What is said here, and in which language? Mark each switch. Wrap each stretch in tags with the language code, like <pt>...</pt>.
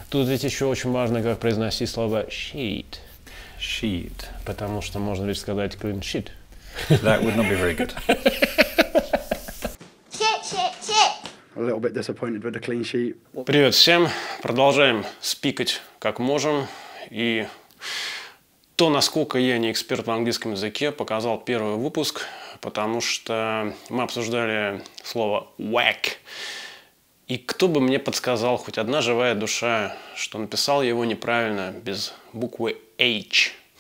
<ru>Тут ведь еще очень важно, как произносить слово sheet.</ru> <en>Sheet.</en> <ru>Потому что можно ведь сказать clean sheet.</ru> <en>That would not be very good. A little bit disappointed with the clean sheet.</en> <ru>Привет всем. Продолжаем спикать как можем. И то, насколько я не эксперт в английском языке, показал первый выпуск, потому что мы обсуждали слово whack. И кто бы мне подсказал, хоть одна живая душа, что написал его неправильно, без буквы H.</ru>